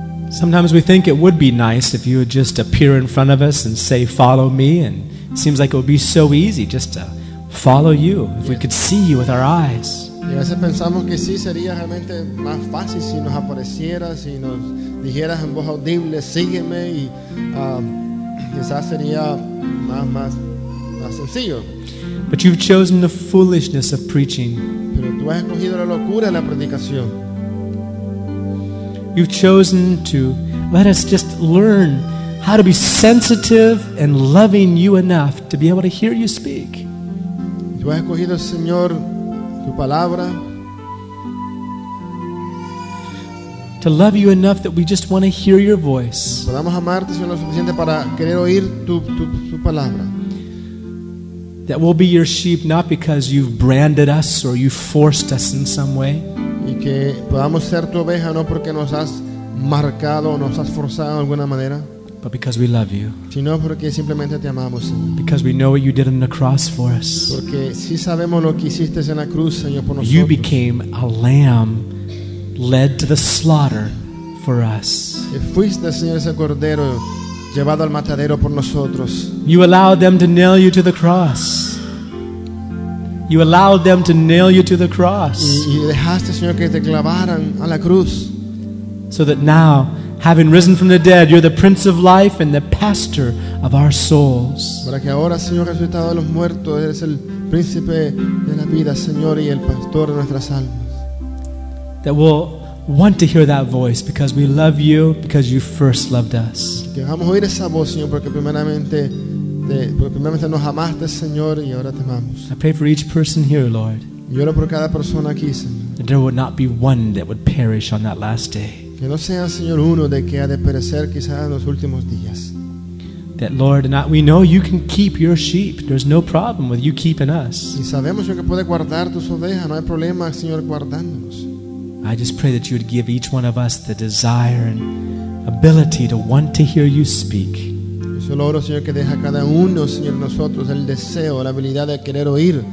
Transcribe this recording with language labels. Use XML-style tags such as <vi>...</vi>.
<en>Sometimes we think it would be nice if you would just appear in front of us and say, follow me, and it seems like it would be so easy just to follow you, if we could see you with our eyes.</en> <es>Y a veces pensamos que sí sería realmente más fácil si nos aparecieras y nos dijeras en voz audible, sígueme, y quizás sería más sencillo.</es> <en>But you've chosen the foolishness of preaching.</en> <es>Pero tú Tú has escogido la locura en la predicación.</es> <en>You've chosen to let us just learn how to be sensitive and loving you enough to be able to hear you speak.</en> <es>Tú has escogido, Señor, tu palabra.</es> <en>To love you enough that we just want to hear your voice.</en> <es>Podamos amarte, Señor, lo suficiente para querer oír tu palabra.</es> <en>That we'll be your sheep, not because you've branded us or you've forced us in some way.</en> <es>Y que podamos ser tu oveja, no porque nos has marcado o nos has forzado de alguna manera.</es> <en>But because we love you.</en> <es>Sino porque simplemente te amamos, Señor.</es> <en>Because we know what you did on the cross for us.</en> <es>Porque sí sabemos lo que hiciste en la cruz, Señor, por nosotros.</es> <en>You became a lamb led to the slaughter for us.</en> <es>Fuiste, Señor, ese cordero llevado al matadero por nosotros.</es> <en>You allowed them to nail you to the cross. You allowed them to nail you to the cross.</en> <es>Y dejaste, Señor, que te clavaran a la cruz.</es> <en>So that now, having risen from the dead, you're the Prince of Life and the Pastor of our souls.</en> <es>Para que ahora, Señor, resucitado de los muertos, eres el príncipe de la vida, Señor, y el pastor de nuestras almas.</es> <en>That will want to hear that voice because we love you because you first loved us.</en> <es>Que vamos a oír esa voz, Señor, porque primeramente nos amaste, Señor, y ahora te amamos.</es> <en>I pray for each person here, Lord.</en> <es>Y oro por cada persona aquí, Señor.</es> <en>That there would not be one that would perish on that last day.</en> <es>Que no sea, Señor, uno de que ha de perecer quizás en los últimos días.</es> <en>That, Lord, not we know you can keep your sheep. There's no problem with you keeping us.</en> <es>Y sabemos, Señor, que puede guardar tus ovejas. No hay problema, Señor, guardándonos.</es> <en>I just pray that you would give each one of us the desire and ability to want to hear you speak.</en> <es>Yo solo oro, Señor, que deja cada uno, Señor, nosotros el deseo, la habilidad de querer oír.</es>